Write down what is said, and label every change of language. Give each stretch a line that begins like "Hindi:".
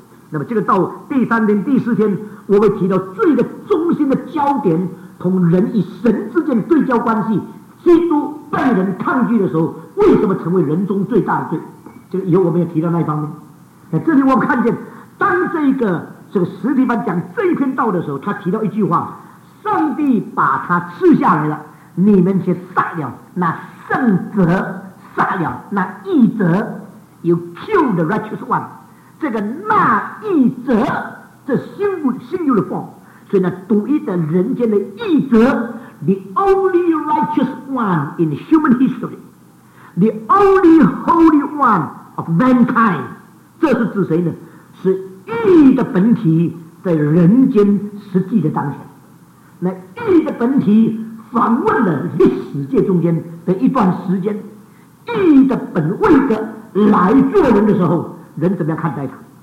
Chinese: 那么这个到第三天第四天我会提到罪的中心的焦点同人与神之间的对焦关系，基督被人抗拒的时候为什么成为人中最大的罪，这个以后我们要提到那一方面。那这里我们看见当这个史提凡讲这一篇道的时候，他提到一句话，上帝把他赐下来了，你们却杀了那圣者，杀了那义者。
English: You kill the righteous one，
Chinese: 这个那义者，这singular form。所以呢，独一的人间的义者，
English: The only righteous one in human history， The only holy one of mankind。
Chinese: 这是指谁呢？是义的本体在人间实际的当前。那义的本体访问了历史界中间的一段时间，义的本位的来做人的时候，人怎么样看待他？